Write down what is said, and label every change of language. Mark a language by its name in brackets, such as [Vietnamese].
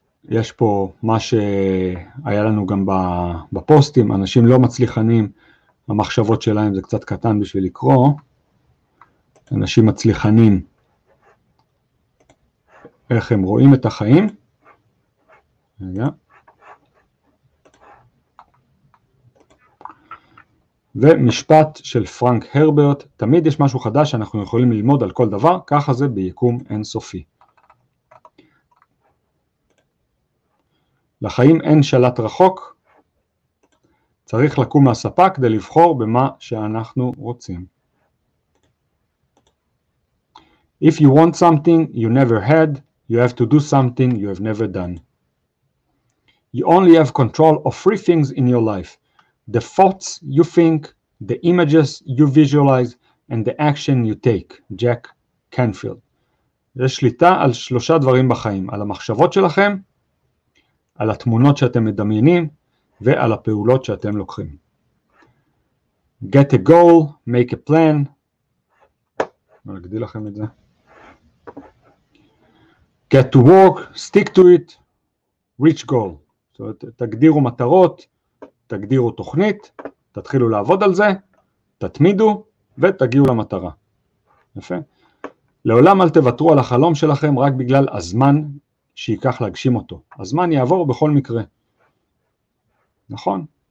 [Hebrew] יש פה מה שהיה לנו גם בפוסטים, אנשים לא מצליחנים, המחשבות שלהם זה קצת קטן בשביל לקרוא, אנשים מצליחנים, איך הם רואים את החיים, רגע, ומשפט של פרנק הרברט, תמיד יש משהו חדש שאנחנו יכולים ללמוד על כל דבר, ככה זה ביקום אינסופי. לחיים אין שלט רחוק, צריך לקום מהספה כדי לבחור במה שאנחנו רוצים. [English] If you want something you never had, you have to do something you have never done. You only have control of three things in your life, the thoughts you think, the images you visualize, and the action you take. Jack Canfield. [Hebrew] יש שליטה על שלושה דברים בחיים, על המחשבות שלכם, על התמונות שאתם מדמיינים, ועל הפעולות שאתם לוקחים. [English] Get a goal, make a plan. אני אגדיל לכם את זה. Get to work, stick to it, reach goal. [Hebrew] זאת אומרת, תגדירו מטרות, תגדירו תוכנית, תתחילו לעבוד על זה, תתמידו, ותגיעו למטרה. יפה. לעולם אל תוותרו על החלום שלכם רק בגלל הזמן שיקח להגשים אותו. הזמן יעבור בכל מקרה. נכון?